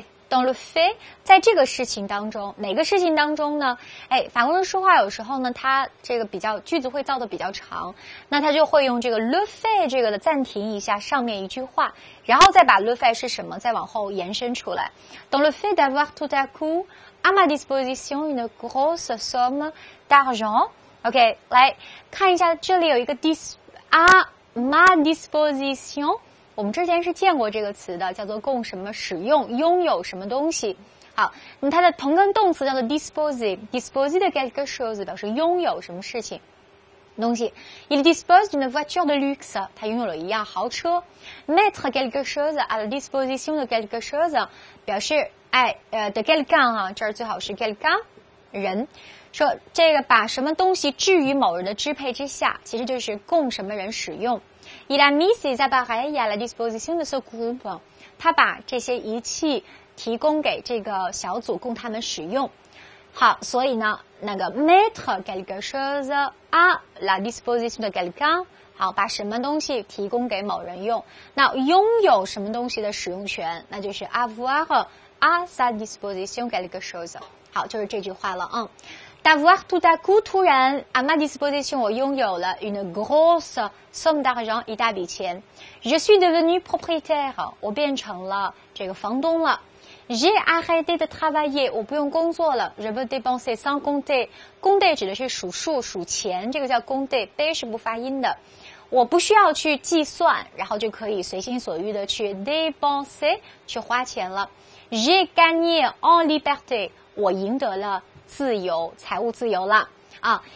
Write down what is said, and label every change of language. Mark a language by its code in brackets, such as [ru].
[fr] Dans le fait， [zh] 在这个事情当中，哪个事情当中呢？哎，法国人说话有时候呢，他这个比较句子会造的比较长，那他就会用这个 le fait 这个的暂停一下上面一句话，然后再把 le fait 是什么再往后延伸出来。 [fr] Dans le fait d'avoir tout à coup。 À ma disposition une grosse somme d'argent. [zh] OK, 来看一下这里有一个 [fr] à ma disposition. [zh] 我们之前是见过这个词的叫做供什么使用拥有什么东西。好那它的同根动词叫做 disposer, [fr] disposer de quelque chose, [zh] 表示拥有什么事情。东西。 [fr] Il dispose d'une voiture de luxe. [zh] 他拥有了一辆豪车。 [fr] Mettre quelque chose à la disposition de quelque chose [zh] 表示哎的 [fr] quelqu'un [zh] 啊，这儿最好是 [fr] quelqu'un 人。 [zh] 说这个把什么东西置于某人的支配之下，其实就是供什么人使用。 [fr] Il a mis ses appareils à la disposition de ce groupe. [zh] 他把这些仪器提供给这个小组供他们使用。好，所以呢，那个 [fr] mettre quelque chose à la disposition de quelqu'un， [zh] 好，把什么东西提供给某人用。那拥有什么东西的使用权，那就是 [fr] avoir à sa disposition quelque chose。 [zh] 好，就是这句话了，嗯。 [fr] D'avoir tout à coup, [zh] 突然 [fr] à ma disposition, [zh] 我拥有了 [fr] une grosse somme d'argent, [zh] 一大笔钱。 [fr] Je suis devenu propriétaire, [zh] 我变成了这个房东了。 [fr] J'ai arrêté de travailler, [zh] 我不用工作了。 [fr] Je veux dépenser sans compter, [zh] 工地指的是数数数钱，这个叫工地，杯是不发音的。我不需要去计算，然后就可以随心所欲的去 [fr] dépenser, [zh] 去花钱了。 [fr] J'ai gagné en liberté, [zh] 我赢得了自由，财务自由了啊！